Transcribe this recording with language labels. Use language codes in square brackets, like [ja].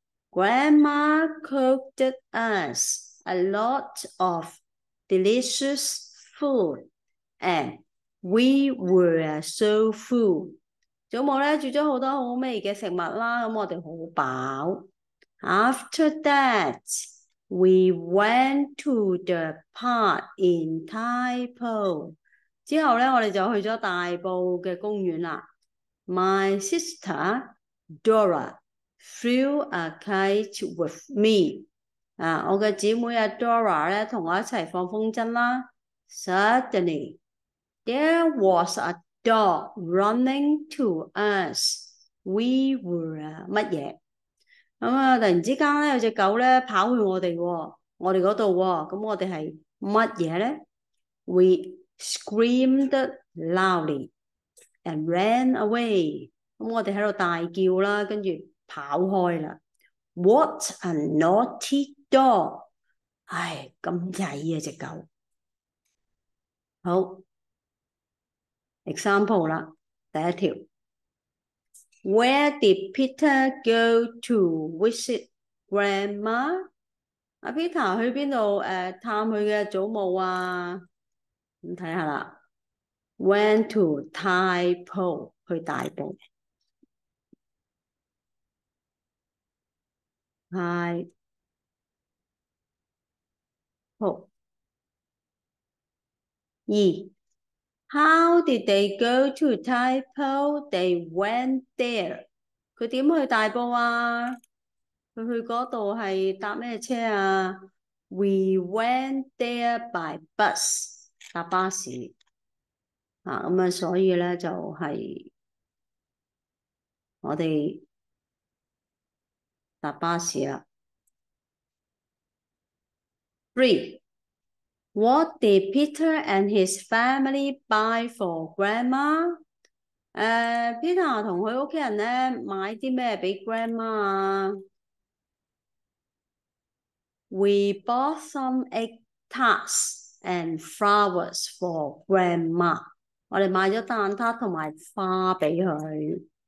[en] Grandma cooked us a lot of delicious food and We were so full。 [yue] 祖母咧煮咗好多好味嘅食物啦，咁我哋好饱。 [en] After that, we went to the park in Taipei。 [yue] 之后咧，我哋就去咗大埔嘅公园啦。 [en] My sister Dora flew a kite with me。 [yue] 我嘅姊妹阿 Dora 咧同我一齐放风筝啦。 [en] Suddenly, There was a dog running to us. We were [yue] 乜嘢？咁啊，突然之间咧，有只狗咧跑去我哋，我哋嗰度，咁我哋系乜嘢咧？ [en] We screamed loudly and ran away。 [yue] 咁我哋喺度大叫啦，跟住跑开啦。 [en] What a naughty dog！ [yue] 唉，咁曳啊只狗。好。 Example 啦，第一条。 [en] Where did Peter go to visit grandma？ [yue] 阿 Peter 去边度探佢嘅祖母啊？咁睇下啦， [en] went to Taipei [yue] 去大埔。 Hi，好。二。 [en] How did they go to Taipei? They went there. [yue] 佢点去大埔啊？佢去嗰度系搭咩车啊？ [en] We went there by bus， [yue] 搭巴士。咁啊，所以咧就系我哋搭巴士啦。 [en] Three。 What did Peter and his family buy for grandma？ [yue] Peter 同佢屋企人咧买啲咩俾 grandma 啊？ [en] We bought some egg tarts and flowers for grandma。 [yue] 我哋买咗蛋挞同埋花俾佢。